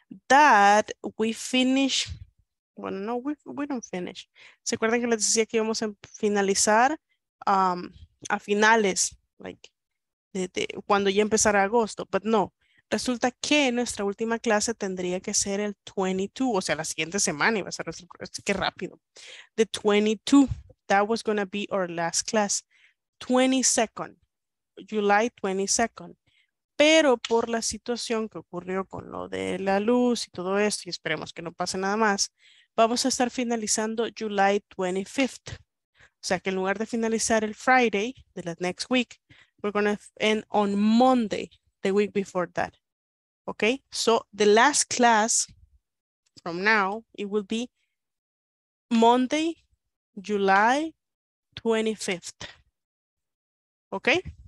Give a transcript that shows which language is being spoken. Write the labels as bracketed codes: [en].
[en] That we finish. Bueno, no, we don't finish. [es] ¿Se acuerdan que les decía que íbamos a finalizar a finales? Like, cuando ya empezara agosto, [en] but no. [es] Resulta que nuestra última clase tendría que ser el 22, o sea, la siguiente semana iba a ser nuestro, qué rápido. [en] The 22, that was going to be our last class. 22nd, July 22nd. [es] Pero por la situación que ocurrió con lo de la luz y todo esto, y esperemos que no pase nada más, vamos a estar finalizando July 25th. O sea, que en lugar de finalizar el Friday de la [en] next week, We're going to end on Monday, the week before that. Okay? So the last class from now, it will be Monday, July 25th. Okay?